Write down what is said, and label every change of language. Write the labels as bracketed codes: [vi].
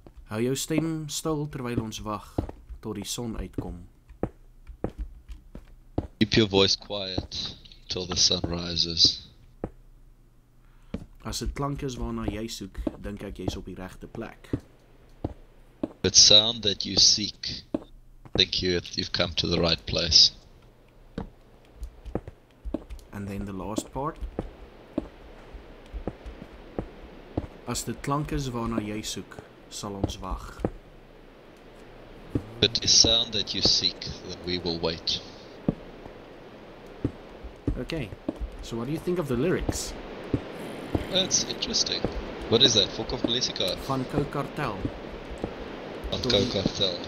[af] Hou jou stem stil terwyl ons wag tot die son uitkom. [en] Keep your voice quiet till the sun rises. [af] As dit klank is waarna jy soek, dink ek jy's op die regte plek. [en] The sound that you seek, think you've come to the right place. And then the last part. [af] As dit klank is waarna jy soek, sal ons wag. [en] But the sound that you seek, then we will wait. Okay, so what do you think of the lyrics? That's interesting. What is that? Fuck of Polisica? [af] Van Co Cartel. Van Co Cartel.